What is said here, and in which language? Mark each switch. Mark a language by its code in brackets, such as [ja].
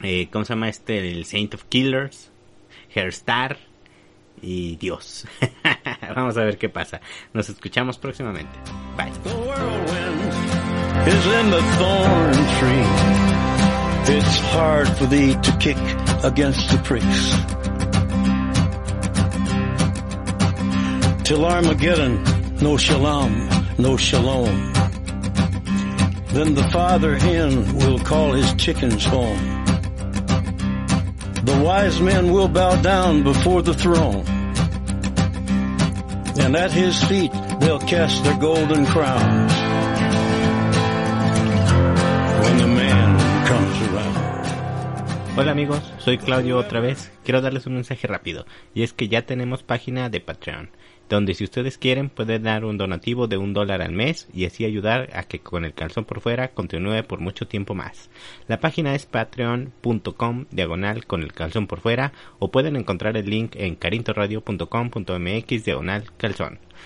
[es] ¿Cómo se llama el Saint of Killers, Herstar y Dios? Vamos a ver qué pasa. Nos escuchamos próximamente. Bye. [en] The whirlwind is in the thorn tree. It's hard for thee to kick against the pricks. Till Armageddon, no shalom, no shalom. Then the father hen will call his chickens home. The wise men will bow down before the throne, and at his feet they'll cast their golden crowns when the man comes around. [es] Hola amigos, soy Claudio otra vez. Quiero darles un mensaje rápido, y es que ya tenemos página de Patreon, donde si ustedes quieren pueden dar un donativo de $1 al mes y así ayudar a que Con el Calzón por Fuera continúe por mucho tiempo más. La página es patreon.com/con el calzón por fuera, o pueden encontrar el link en carintoradio.com.mx/calzón.